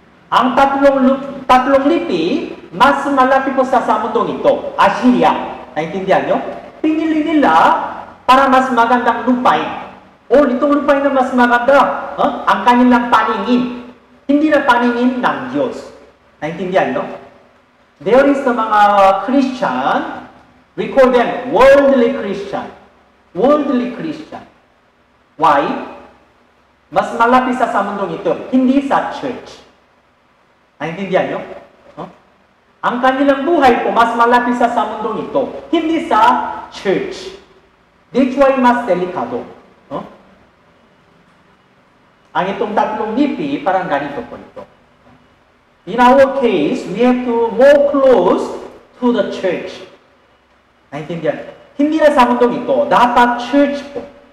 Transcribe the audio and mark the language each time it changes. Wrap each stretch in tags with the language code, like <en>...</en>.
<tl>Ang tatlong lipi, mas malapit po sa mundong ito, Assyria. Naintindihan nyo? Pinili nila para mas magandang lupay. O, itong lupay na mas maganda. Ang kanilang paningin. Hindi na paningin ng Diyos. Naintindihan nyo?</tl> <en>There is the mga Christian, we call them worldly Christian. Worldly Christian. Why?</en> <tl>Mas malapit sa mundong ito, hindi sa church. Naintindihan nyo? Ang kanilang buhay po, mas malapit sa mundong ito, hindi sa church.</tl> <en>That's why</en> <tl>mas delikado. Ang itong tatlong ngipi, parang ganito po ito.</tl> <en>In our case, we have to more close to the church.</en> <tl>Naintindihan nyo? Hindi na sa mundong ito, dapat church po.</tl>